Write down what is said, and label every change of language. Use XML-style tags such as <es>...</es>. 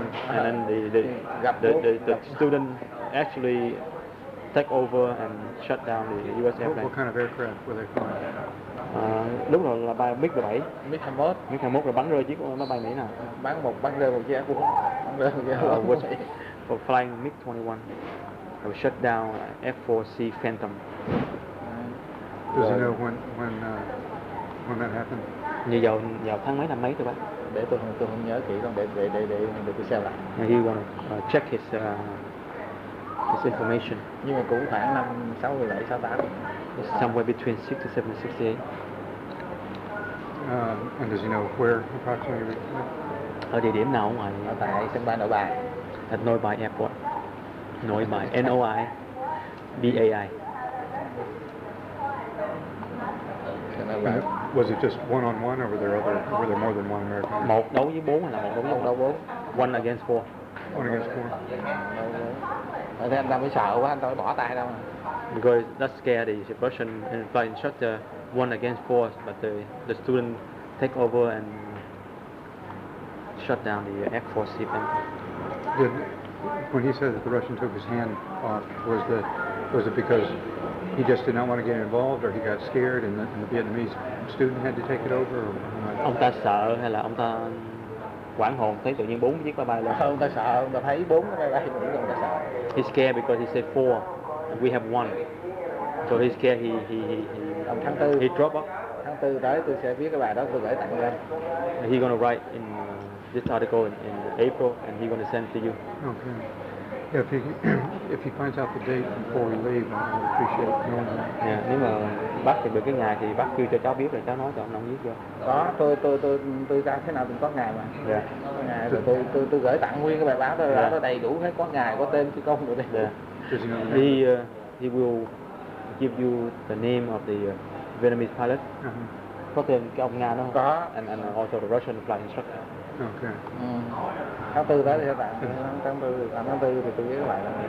<en>and then the student actually take over and shut down the U.S. airplane. What kind of aircraft were they flying?</en> <vi>Lúc đó là bay MiG-17. MiG-21. MiG-21 rồi bắn rơi chiếc máy bay Mỹ nào? Bắn rơi một chiếc.</vi> <en>Flying MiG-21. They shut down F4C Phantom. Does he know when that happened?</en> <vi>Như vào tháng mấy năm mấy thôi bác? Để tôi không nhớ kỹ đâu, để tôi xem lại.</vi> <en>He wanna check his information.</en> <vi>Nhưng mà cũng khoảng năm 67-68.</vi> <en>It's somewhere between 67 and 68. And does he know where approximately?</en> <vi>Ở địa điểm nào ngoài? Ở tại sân bay Nội Bài.</vi> <en>At Nội Bài Airport. Nội Bài. Noi. Bai. Was it just one on one, or were there more than one American?</en> <vi>Một đấu với bốn hay là một đấu với một đấu bốn?</vi> <en>One against four. One against four.</en> <vi>Anh ta mới sợ quá, anh ta mới bỏ tay đâu.</vi> <en>Because that scared the Russian flight instructor, one against four, but the student take over and shut down the F4C event. When he said that the Russian took his hand off, was it because he just did not want to get involved, or he got scared and the Vietnamese student had to take it over?</en> <vi>Ông ta sợ hay là ông ta quảng hồn thấy tự nhiên bốn chiếc máy bay lên? Ông ta sợ, ông ta thấy bốn máy bay lên, ông ta sợ.</vi> <en>He scared because he said four. We have one. So he's scared. He.</en> <vi>Ông tháng tư.</vi> <en>He drop up.</en> <vi>Tháng tư tới tôi sẽ viết cái bài đó tôi gửi tặng lên.</vi> <en>He gonna write in this article in April and he gonna send to you. Okay. Yeah, if he finds out the date before we leave, I would appreciate knowing that. Yeah.</en> <vi>Nếu mà bác thì được cái ngày thì bác kêu cho cháu biết rồi cháu nói cho ông biết chưa? Có. Tôi ra thế nào cũng có ngày mà.</vi> <en>Yeah.</en> <vi>Ngày rồi tôi gửi tặng nguyên cái bài báo tôi đó đầy đủ hết, có ngày có tên phi công rồi đây.</vi> <en>Yeah. He will give you the name of the Vietnamese pilot. Uh-huh.</en> <vi>Có tên cái ông Nga đó không? Có.</vi> <en>And also the Russian flight instructor. Okay.</en> <vi>Tháng tư đó thì các bạn, tháng tư thì tôi biết các bạn.</vi>